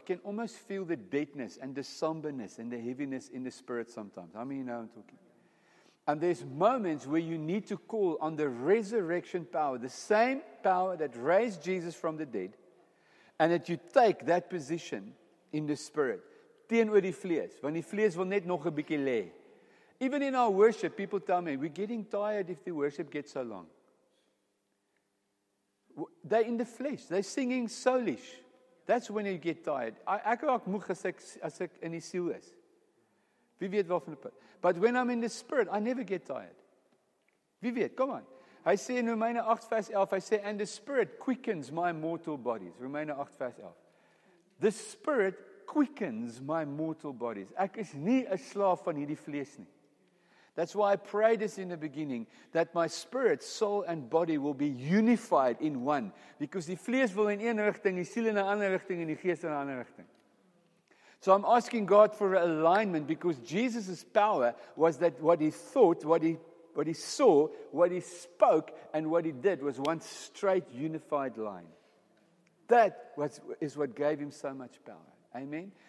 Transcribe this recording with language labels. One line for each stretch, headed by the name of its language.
English: You can almost feel the deadness and the somberness and the heaviness in the spirit sometimes. How many know I'm talking? And there's moments where you need to call on the resurrection power, the same power that raised Jesus from the dead, and that you take that position in the spirit.
Afrikaans: Teenoor die vlees, want die vlees wil net nog 'n bietjie lê.
English: Even in our worship, people tell me, we're getting tired if the worship gets so long. They're in the flesh. They're singing soulish. That's when you get tired.
Afrikaans: Ek raak moeg as ek in die siel is. Wie weet waarvan ek praat?
English: But when I'm in the spirit, I never get tired.
Afrikaans: Wie weet?
English: Come on.
Afrikaans: Hy sê in Romeine 8 vers 11, hy sê,
English: and the spirit quickens my mortal bodies.
Afrikaans: Romeine 8 vers 11.
English: The spirit quickens my mortal bodies.
Afrikaans: Ek is nie 'n slaaf van hierdie vlees nie.
English: That's why I pray this in the beginning, that my spirit, soul and body will be unified in one.
Afrikaans: Because die vlees wil in een richting, die siel in 'n ander richting en die gees in 'n ander richting.
English: So I'm asking God for alignment because Jesus' power was that what he thought, what he saw, what he spoke, and what he did was one straight unified line. That is what gave him so much power. Amen?